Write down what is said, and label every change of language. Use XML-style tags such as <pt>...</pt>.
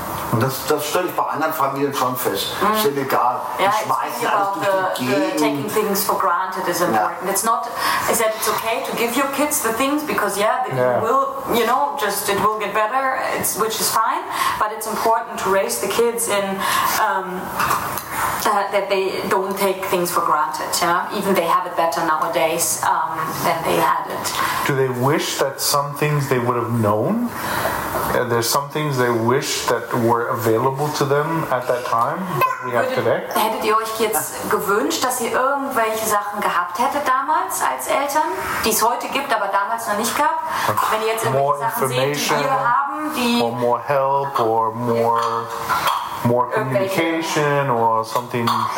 <de>Und das stelle ich bei anderen Familien schon fest. Ist ja egal. Die schmeißen alles durch die Gegend.</de> <en>Taking things for granted is important. It's not, is that it's okay to give your kids the things, because it will get better, which is fine, but it's important to raise the kids in that they don't take things for granted, even they have it better nowadays than they had it. Do they wish that some things they would have known? There's some things they wish that were available to them at that time that we have today?</en> <de>Hättet ihr euch jetzt gewünscht, dass ihr irgendwelche Sachen gehabt hättet damals als Eltern, die es heute gibt, aber damals noch nicht gab? Wenn ihr jetzt irgendwelche Sachen seht, die wir haben, die...</de> <en>Or more help, or more communication, or something...</en>